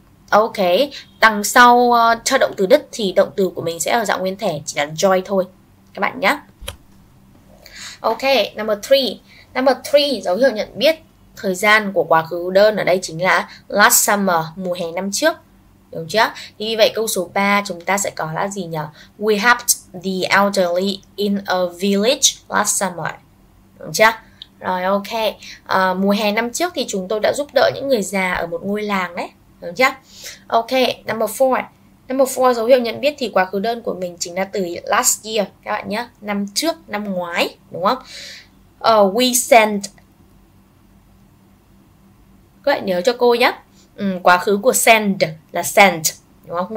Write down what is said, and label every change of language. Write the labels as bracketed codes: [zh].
[vi] Ok, đằng sau trợ động từ did thì động từ của mình sẽ ở dạng nguyên thể, chỉ là join thôi các bạn nhé. Ok, number 3. Number 3 dấu hiệu nhận biết thời gian của quá khứ đơn ở đây chính là last summer, mùa hè năm trước. Đúng chưa? Thì vì vậy câu số 3 chúng ta sẽ có là gì nhỉ? [en] We helped the elderly in a village last summer. [vi] Đúng chưa? Rồi ok. Mùa hè năm trước thì chúng tôi đã giúp đỡ những người già ở một ngôi làng đấy. Đúng chưa? Ok, number 4. Number 4 dấu hiệu nhận biết thì quá khứ đơn của mình chính là từ last year các bạn nhé, năm trước, năm ngoái đúng không? [en] We sent, [vi] các bạn nhớ cho cô nhé, quá khứ của send là sent đúng không?